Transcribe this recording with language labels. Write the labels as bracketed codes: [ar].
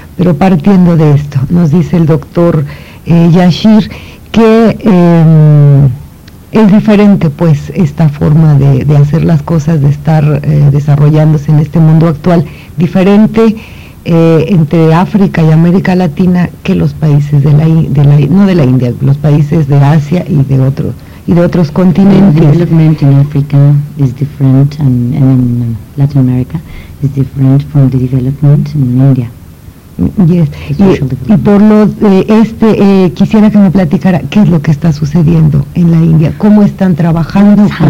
[es] Pero partiendo de esto, nos dice el doctor Yashir que es diferente, pues, esta forma de hacer las cosas, de estar desarrollándose en este mundo actual, diferente entre África y América Latina que los países de la India, no de la India, los países de Asia y de otros. Y de otros continentes. [en] The development in Africa is different, and in Latin America is different from the development in India. Yes. [es] Y por lo quisiera que me platicara qué es lo que está sucediendo en la India, cómo están trabajando.